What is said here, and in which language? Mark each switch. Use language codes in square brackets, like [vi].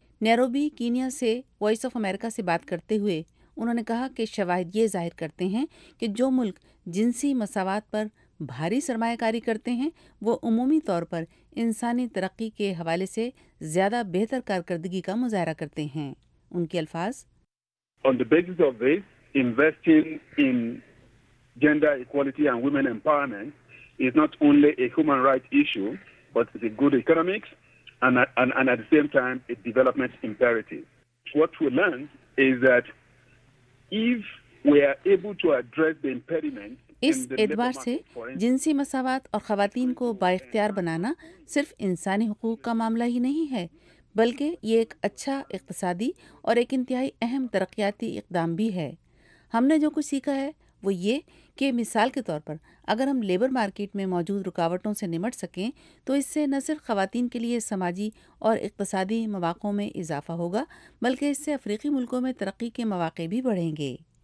[ur] Nairobi Kenya سے voice of America سے بات کرتے ہوئے انہوں نے کہا کہ شواہد یہ ظاہر کرتے ہیں کہ جو ملک جنسی مساوات پر بھاری سرمایہ کاری کرتے ہیں وہ عمومی طور پر انسانی ترقی کے حوالے سے زیادہ بہتر کارکردگی کا مظاہرہ کرتے ہیں. ان کے الفاظ, [en] On the basis of this, investing in gender equality and women empowerment is not only a human rights issue, but it's a good economics and at the same time a development imperative. What we learned is that if we are able to address the impediment, [ur] اس اعتبار سے جنسی مساوات اور خواتین کو با اختیار بنانا صرف انسانی حقوق کا معاملہ ہی نہیں ہے, بلکہ یہ ایک اچھا اقتصادی اور ایک انتہائی اہم ترقیاتی اقدام بھی ہے. ہم نے جو کچھ سیکھا ہے وہ یہ کہ مثال کے طور پر اگر ہم لیبر مارکیٹ میں موجود رکاوٹوں سے نمٹ سکیں تو اس سے نہ صرف خواتین کے لیے سماجی اور اقتصادی مواقع میں اضافہ ہوگا بلکہ اس سے افریقی ملکوں میں ترقی کے مواقع بھی بڑھیں گے.